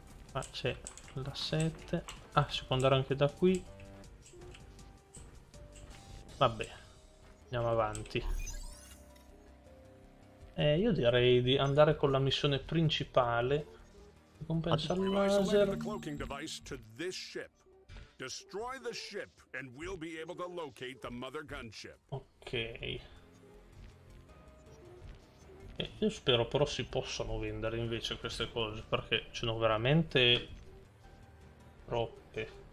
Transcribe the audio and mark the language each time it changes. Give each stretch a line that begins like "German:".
Italian: Qua c'è la 7. Ah, si può andare anche da qui. Vabbè, andiamo avanti. Io direi di andare con la missione principale. Ricompensa il laser.
English: Cloaking device to this ship. Destroy the ship and we'll be able to locate the mother gunship. Ok.
Italian: Io spero però si possano vendere invece queste cose, perché ce n'ho veramente troppe.